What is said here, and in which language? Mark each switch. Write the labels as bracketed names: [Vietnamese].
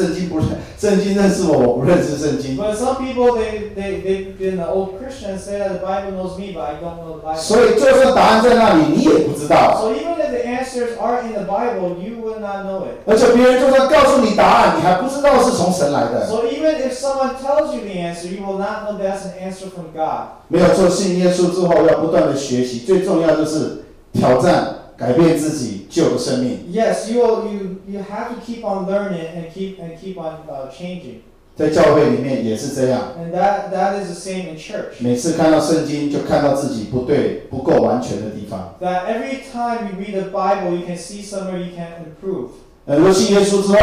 [Chinese] 可是很多人从来不读圣经，信主很多年，我认识圣经不认，圣经认识我，我不认识圣经。But [English] some people they've been an old Christian say that the Bible knows me, but I don't know the Bible. [Chinese] 所以就算答案在那里，你也不知道。So [English] even if the answers are in the Bible, you will not know it. [Chinese] 而且别人就算告诉你答案，你还不知道是从神来的。So [English] even if someone tells you the answer, you will not know that's an answer from God. [Chinese] 没有错，信耶稣之后要不断的学习，最重要就是挑战。改变自己，救生命。Yes, [English] you have to keep on learning and keep on changing. [Chinese] 在教会里面也是这样。And [English] that is the same in church. [Chinese] 每次看到圣经，就看到自己不对、不够完全的地方。That [English] every time you read the Bible, you can see somewhere you can improve.